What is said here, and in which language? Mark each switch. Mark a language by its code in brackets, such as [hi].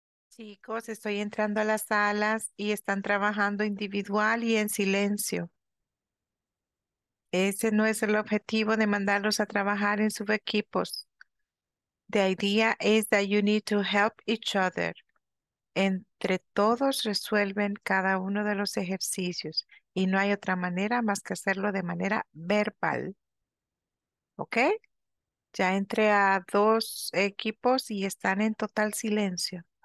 [es] Chicos, estoy entrando a las salas y están trabajando individual y en silencio. Ese no es el objetivo de mandarlos a trabajar en subequipos. [en] The idea is that you need to help each other. [es] Entre todos resuelven cada uno de los ejercicios y no hay otra manera más que hacerlo de manera verbal. ¿Ok? Ya entré a dos equipos y están en total silencio.